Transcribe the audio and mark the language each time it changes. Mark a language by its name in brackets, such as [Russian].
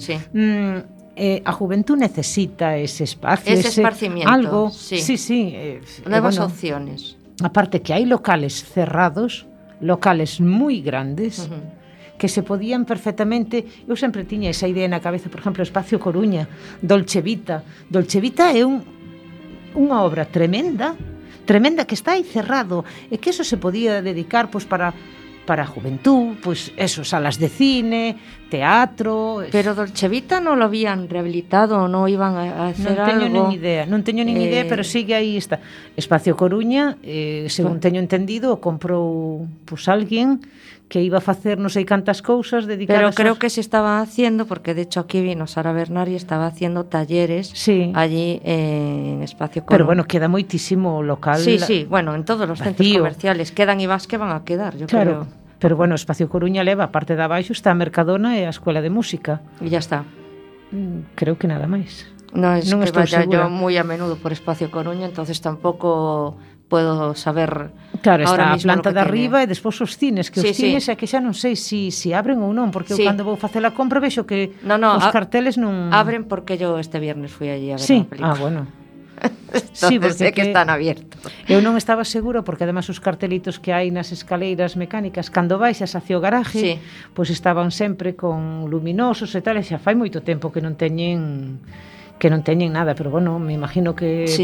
[Spanish] todo, sí. A juventud necesita ese espacio, ese esparcimiento, algo, sí. Sí, sí. Nuevas opciones. aparte que hay locales cerrados, locales muy grandes, uh-huh. que se podían perfectamente... [Galician] Eu sempre tiña esa idea na cabeza, por exemplo, Espacio Coruña, Dolce Vita. Dolce Vita é unha obra tremenda, tremenda, que está aí cerrado, e que eso se podía dedicar pues, para a juventud, pues, eso, salas de cine, teatro... [Spanish] Pero Dolce Vita non lo habían rehabilitado, non iban a hacer algo... [Galician] Non teño nin idea, pero sigue aí está. Espacio Coruña, según teño entendido, comprou pues, alguien... que iba a facer non sei cantas cousas dedicadas... [Spanish] Pero creo que se estaba haciendo, porque de hecho aquí vino Sara Bernard y estaba haciendo talleres sí. allí en Espacio Coro. [Galician] Pero bueno, queda moitísimo local... [Spanish] Sí, sí, bueno, en todos los centros comerciales quedan y más que van a quedar, yo claro. creo. [Galician] Pero bueno, Espacio Coruña leva, aparte de abaixo, está a Mercadona e a Escuela de Música. [Spanish] Y ya está. [Galician] Creo que nada máis. No, es non que estou vaya segura. [Spanish] Yo muy a menudo por Espacio Coruña, entonces tampoco... Puedo saber. [Galician] Claro, está a planta de arriba e despois os cines, que sí, os cines sí. é que xa non sei se abren ou non, porque sí. eu cando vou facer a compra vexo que os carteles non [Spanish] abren porque yo este viernes fui allí a ver sí. a película. Ah, bueno. Entonces, sí, porque sé que están abiertos. [Galician] Eu non estaba seguro porque además os cartelitos que hai nas escaleiras mecánicas cando baixas hacia o garaje, sí. pues estaban sempre con luminosos e tal, e xa fai moito tempo que non teñen nada, pero bueno, me imagino que sí.